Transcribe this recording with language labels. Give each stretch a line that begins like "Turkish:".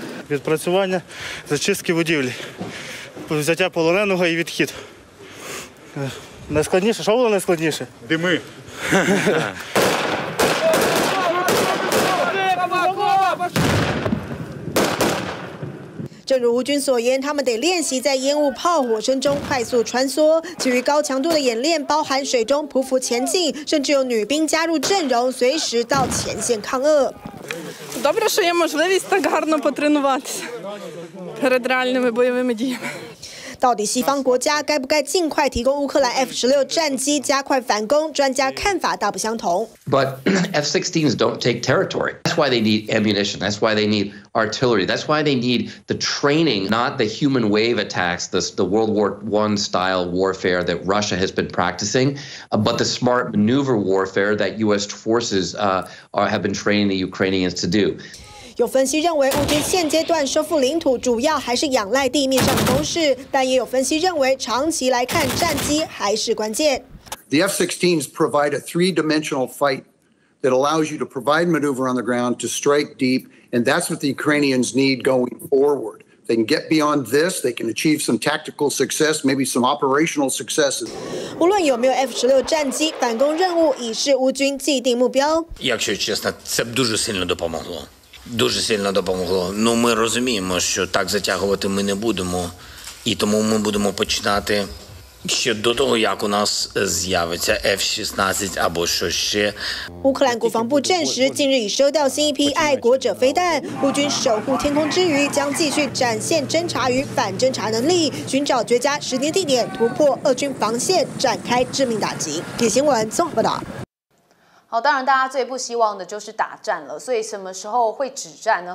Ukrainian: відпрацювання зачистки будівлі, взяття полоненого і відхід. Найскладніше, що було найскладніше? Дими.
Chinese: 正如吴军所言，他们得练习在烟雾炮火声中快速穿梭。其余高强度的演练包含水中匍匐前进，甚至有女兵加入阵容，随时到前线抗俄。
Ukrainian: Добре, що є можливість так гарно потренуватися перед реальними бойовими діями。
Chinese: 到底西方国家该不该尽快提供乌克兰 F-16 战机加快反攻？专家看法大不相同。
English: But F-16s don't take territory. That's why they need ammunition. That's why they need artillery. That's why they need the training, not the human wave attacks, the World War I style warfare that Russia has been practicing, but the smart maneuver warfare that U.S. forces have been training the Ukrainians to do.
Chinese: 有分析认为，乌军现阶段收复领土主要还是仰赖地面上的攻势，但也有分析认为，长期来看，战机还是关键。
English: The F-16s provide a three-dimensional fight that allows you to provide maneuver on the ground to strike deep, and that's what the Ukrainians need going forward. They can get beyond this. They can achieve some tactical success, maybe some operational successes.
Chinese: 无论有没有 F-16 战机，反攻任务已是乌军既定目标。
Ukrainian: Якщо чесно, це дуже сильно допомогло. Дуже сильно допомогло. Ну, ми розуміємо, що так затягувати ми не будемо. І тому ми будемо починати ще до того, як у нас з'явиться F-16 або що ще.
Chinese: 乌克兰国防部证实，近日已收到新一批爱国者飞弹。乌军守护天空之余，将继续展现侦察与反侦察能力，寻找绝佳时间地点突破俄军防线，展开致命打击。体新闻综合报道。好，当然大家最不希望的就是打战了，所以什么时候会止战呢？